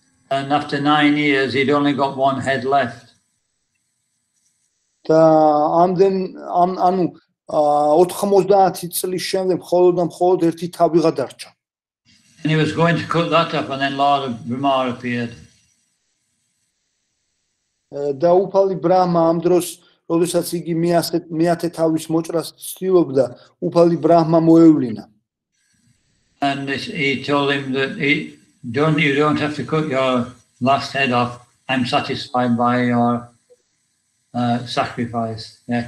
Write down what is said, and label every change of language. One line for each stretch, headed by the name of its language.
English: And after 9 years he'd only got one head left.
Georgian: Da amden am anu 90 წლის შემდეგ მხოლოდ ერთი თავი გადარჩა.
English: And he was going to cut that off and then Lord Brahma appeared.
Georgian: Da უფალი ბრაჰმა ამ დროს, როდესაც იგი მეათე თავის მოჭრას ცდილობდა, უფალი ბრაჰმა მოევლინა.
English: And he told him that you don't have to cut your last head off. I'm satisfied by your sacrifice,